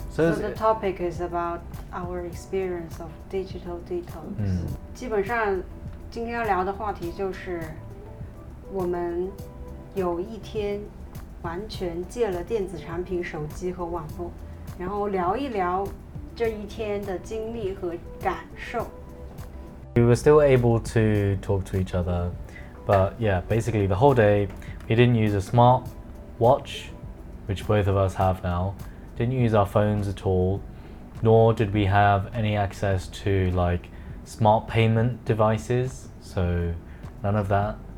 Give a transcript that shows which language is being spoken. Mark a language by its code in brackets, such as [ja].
[en] So the topic is about our experience of digital detox. [zh] 嗯，基本上今天要聊的话题就是我们有一天完全戒了电子产品、手机和网络，然后聊一聊。这一天的经历和感受。 [en] We were still able to talk to each other, but yeah, basically the whole day, we didn't use a smart watch, which both of us have now, didn't use our phones at all, nor did we have any access to like smart payment devices, so none of that.